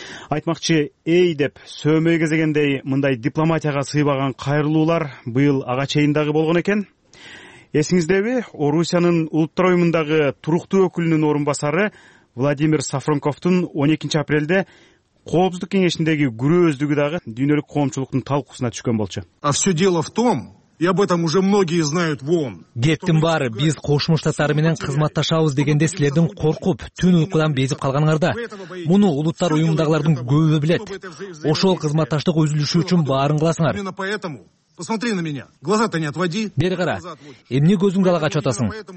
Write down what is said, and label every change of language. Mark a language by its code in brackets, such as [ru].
[ky] Айтмакчы, эй деп сөөмөй кезегендей мындай дипломатияга сыйбаган кайрылуулар быйыл ага чейиндагы болгон экен. Эсиңиздеби, Орусиянын улуттар уюмундагы туруктуу өкүлүнүн орун басары Владимир Сафронковдун 12-апрелде коопсуздук кеңешиндеги күрөөздүгү дагы дүйнөлүк коомчулуктун талкуусуна түшкөн болчу. [ru] А все дело в том, и об этом уже многие знают в ООН. [ky] Кептин баары, биз Кошмо Штаттары менен кызматташабыз дегенде силердин коркуп, түн уйкудан безип калганыңарда. Муну улуттар уюмундагылардын көбү билет. Ошол кызматташтык үзүлүшү үчүн баарын кыласыңар. [ru] Посмотри на меня. Глаза-то не отводи. [ky] Бери кара. Эмне көзүң калага чатасын?